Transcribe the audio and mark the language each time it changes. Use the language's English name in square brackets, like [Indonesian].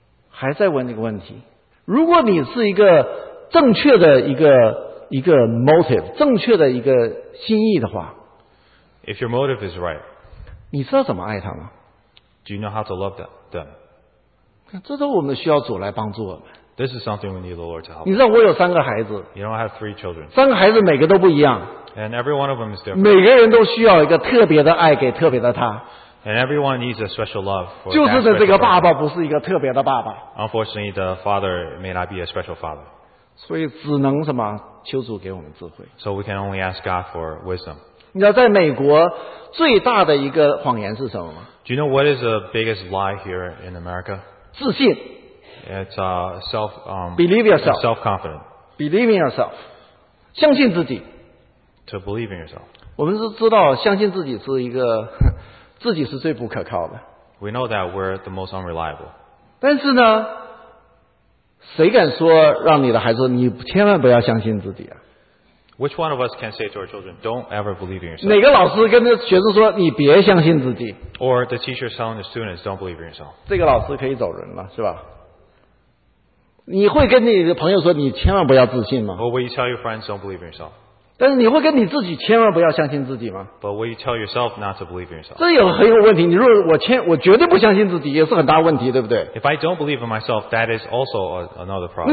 [Chinese] 还在问这个问题。如果你是一个正确的一个 motive, 正确的一个心意的话， [English] If your motive is right, [Chinese] 你知道怎么爱他吗？ [English] Do you know how to love them? [Chinese] 这都我们需要主来帮助我们。 [English] This is something we need the Lord to help. [Chinese] 你知道我有三个孩子。 [English] You know I have three children. [Chinese] 三个孩子每个都不一样。 [English] And every one of them is different. [Chinese] 每个人都需要一个特别的爱给特别的他。 [English] And everyone needs a special love for. [Chinese] 就是这个爸爸不是一个特别的爸爸。 [English] Unfortunately, the father may not be a special father. [Chinese] 所以只能什么？求主给我们智慧。 [English] So we can only ask God for wisdom. [Chinese] 你知道在美国最大的一个谎言是什么吗？ [English] Do you know what is the biggest lie here in America? [Chinese] 自信。 [English] It's self. Believe yourself. Self-confident. Believe in yourself. [Chinese] 相信自己。 [English] To believe in yourself. [Chinese] 我们是知道相信自己是一个。自己是最不可靠的。 [English] We know that we're the most unreliable. [Chinese] 但是呢，谁敢说让你的孩子，你千万不要相信自己啊？ [English] Which one of us can say to our children, don't ever believe in yourself? [Chinese] 哪个老师跟学生说, 你别相信自己? [English] Or the teacher telling the students, don't believe in yourself. [Chinese] 这个老师可以走人了, 是吧?你会跟你的朋友说, 你千万不要自信吗? [English] Or will you tell your friends, don't believe in yourself? [Chinese] 但是你会跟你自己千万不要相信自己吗? [English] But will you tell yourself not to believe in yourself? [Chinese] 这有很有问题, 你若我绝对不相信自己, 也是很大问题, 对不对? [English] If I don't believe in myself, that is also another problem.